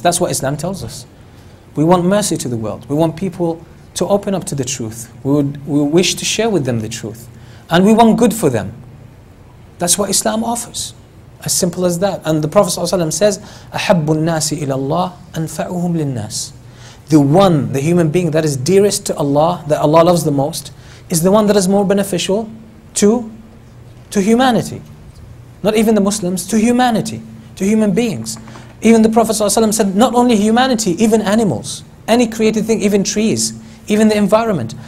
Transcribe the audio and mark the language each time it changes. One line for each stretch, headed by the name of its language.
English: That's what Islam tells us. We want mercy to the world. We want people to open up to the truth. We wish to share with them the truth. And we want good for them. That's what Islam offers. As simple as that. And the Prophet ﷺ says,
Arabic: أَحَبُّ النَّاسِ إِلَى اللَّهِ أَنْفَعُهُمْ لِلنَّاسِ.
English: The one, the human being that is dearest to Allah, that Allah loves the most, is the one that is more beneficial to humanity. Not even the Muslims, to humanity, to human beings. Even the Prophet ﷺ said, not only humanity, even animals, any created thing, even trees, even the environment.